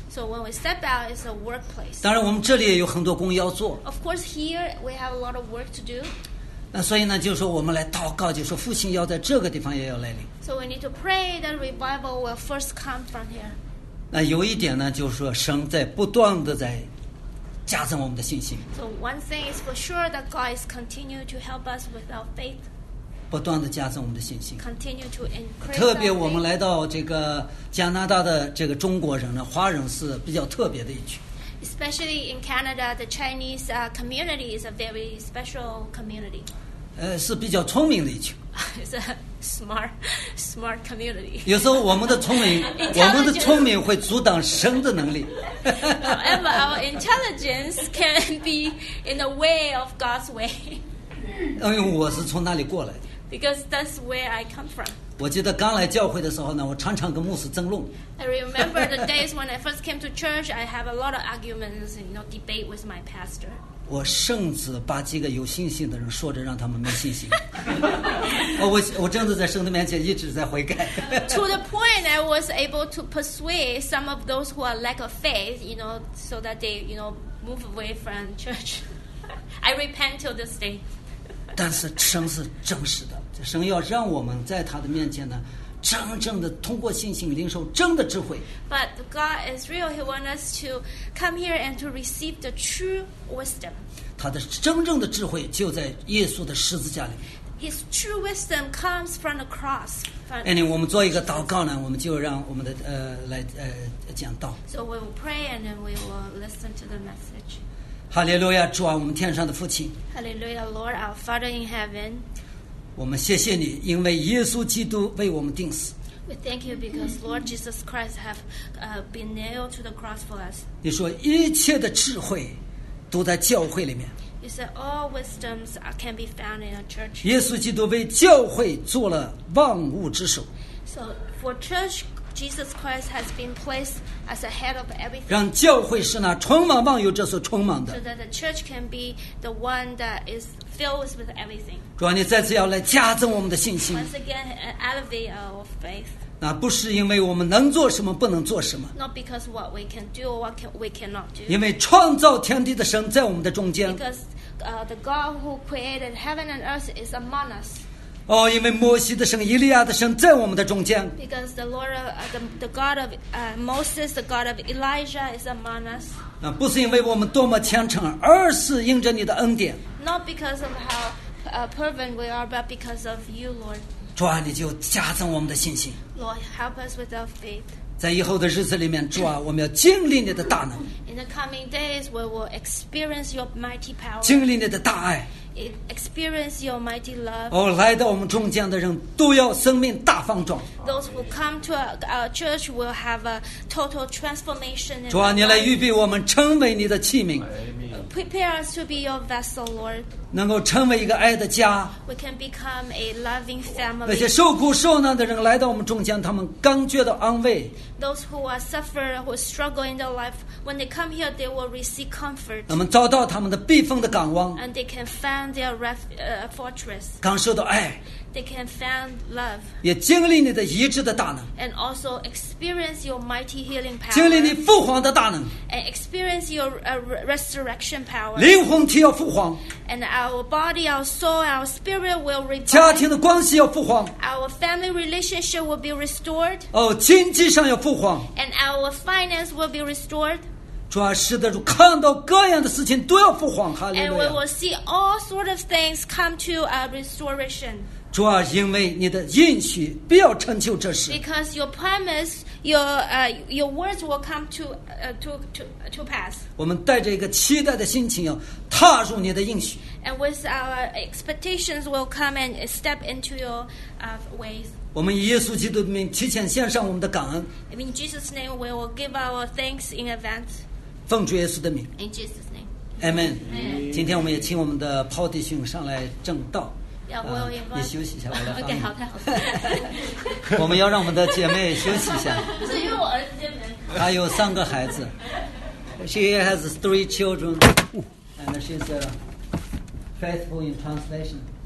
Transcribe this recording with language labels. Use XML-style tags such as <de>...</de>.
<en>So when we step out, it's a workplace.</en> <zh>当然，我们这里也有很多工要做。</zh> <en>Of course, here we have a lot of work to do.</en> <zh>那所以呢，就是说我们来祷告，就是说复兴要在这个地方也要来临。</zh> <en>So we need to pray that revival will first come from here.</en> <zh>那有一点呢，就是说神在不断的在加增我们的信心。</zh> <en>So one thing is for sure that God is continuing to help us with our faith.</en> <zh>不断地加增我们的信心。</zh> <en>Continue to increase.</en> <zh>特别我们来到这个加拿大的这个中国人呢，华人是比较特别的一群。</zh> <en>Especially in Canada, the Chinese community is a very special community.</en> <zh>是比较聪明的一群。</zh> <en>It's a smart community.</en> <zh>有时候我们的聪明，我们的聪明会阻挡神的能力。</zh> <en>However, our intelligence can be in the way of God's way.</en> <zh>因为我是从那里过来的。</zh> <en>Because that's where I come from.</en> <zh>我记得刚来教会的时候呢，我常常跟牧师争论。</zh> <en>I remember the days when I first came to church, I have a lot of arguments, you know, debate with my pastor.</en> <zh>我甚至把几个有信心的人说着让他们没信心。我真的在神的面前一直在悔改。</zh> <en>To the point I was able to persuade some of those who are lack of faith, you know, so that they, you know, move away from church. I repent till this day.</en> <zh>但是神是真实的。神要让我们在他的面前呢，真正的通过信心领受真的智慧。</zh> <en>But God is real. He wants us to come here and to receive the true wisdom.</en> <zh>他的真正的智慧就在耶稣的十字架里。</zh> <en>His true wisdom comes from the cross. Anyway,</en> <zh>我们做一个祷告呢，我们就让我们的来讲道。</zh> <en>So we will pray and then we will listen to the message.</en> <zh>哈利路亚，主啊，我们天上的父亲。</zh> <en>Hallelujah, Lord, our Father in heaven.</en> <zh>我们谢谢你，因为耶稣基督为我们钉死。</zh> <en>We thank you because Lord Jesus Christ have been nailed to the cross for us.</en> <zh>你说一切的智慧都在教会里面。</zh> <en>You said all wisdoms can be found in a church.</en> <zh>耶稣基督为教会做了万物之首。</zh> <en>So for church, Jesus Christ has been placed as the head of everything.</en> <zh>让教会是那充满万有之所充满的。</zh> <en>So that the church can be the one that is. Fill us with everything.</en> <zh>主啊，你再次要来加增我们的信心。</zh> <en>Once again, elevate our faith.</en> <zh>那不是因为我们能做什么，不能做什么。</zh> <en>Not because what we can do or what we cannot do.</en> <zh>因为创造天地的神在我们的中间。</zh> <en>Because the God who created heaven and earth is among us.</en> <zh>哦，因为摩西的神、以利亚的神在我们的中间。</zh> <en>Because the Lord, the God of Moses, the God of Elijah is among us.</en> <zh>那不是因为我们多么虔诚，而是因着你的恩典。</zh> <en>Not because of how fervent we are, but because of you, Lord.</en> <zh>主啊，你就加增我们的信心。</zh> <en>Lord, help us with our faith.</en> <zh>在以后的日子里面，主啊，我们要经历你的大能。</zh> <en>In the coming days, we will experience your mighty power.</en> <zh>经历你的大爱。</zh> <en>Experience your mighty love.</en> <zh>哦，来到我们中间的人都要生命大放纵。</zh> <en>Those who come to our church will have a total transformation.</en> <zh>主啊，你来预备我们成为你的器皿。</zh> <en>Prepare us to be your vessel, Lord.</en> <zh>能够成为一个爱的家。</zh> <en>We can become a loving family.</en> <zh>那些受苦受难的人来到我们中间，他们刚觉得安慰。</zh> <en>Those who are suffering, who struggle in their life, when they come here, they will receive comfort.</en> <zh>他们找到他们的避风的港湾。</zh> <en>And they can find their fortress.</en> <zh>刚受到爱。</zh> <en>They can find love.</en> <zh>也经历你的医治的大能。</zh> <en>And also experience your mighty healing power.</en> <zh>经历你复活的大能。</zh> <en>And experience your resurrection power.</en> <zh>灵魂体要复活。</zh> <en>And our body, our soul, our spirit will revive.</en> <zh>家庭的关系要复活。</zh> <en>Our family relationship will be restored.</en> <zh>哦，经济上要复活。</zh> <en>And our finance will be restored.</en> <zh>主啊，是的，看到各样的事情都要复活，哈利路亚。</zh> <en>And we will see all sort of things come to a restoration.</en> <zh>主啊，因为你的应许必要成就这事。</zh> <en>Because your promise, your words will come to pass.</en> <zh>我们带着一个期待的心情要踏入你的应许。</zh> <en>And with our expectations, we'll come and step into your ways.</en> <zh>我们以耶稣基督的名提前献上我们的感恩。</zh> <en>In Jesus' name, we will give our thanks in advance.</en> <zh>奉主耶稣的名。</zh> <en>In Jesus' name.</en> <zh>Amen. Amen. 今天我们也请我们的 Paul 弟兄上来正道。</zh> <en>Yeah, we'll invite.</en> <zh>你休息一下，我来。 OK， 好的，好的。我们要让我们的姐妹休息一下。不是因为我儿子今天没来。她有三个孩子。</zh> <en>She has three children, and she's faithful in translation.</en>